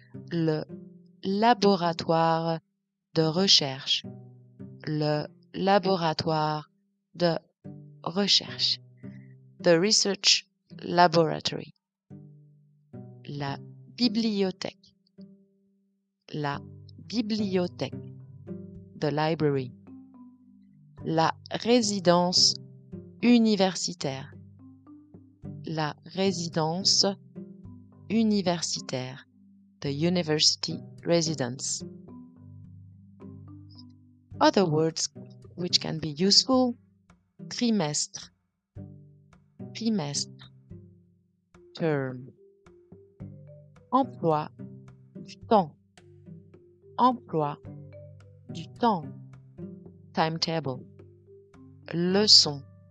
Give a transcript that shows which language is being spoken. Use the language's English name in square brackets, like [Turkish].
[French] Le laboratoire de recherche. Le laboratoire de recherche. [English] The research laboratory. [French] La bibliothèque. La bibliothèque. [English] The library. [French] La résidence universitaire. La résidence universitaire. [English] The university residence. Other words which can be useful. [French] Trimestre. Trimestre. [English] Term. [French] Emploi du temps. Emploi du temps. [English] Timetable. [French] Leçon.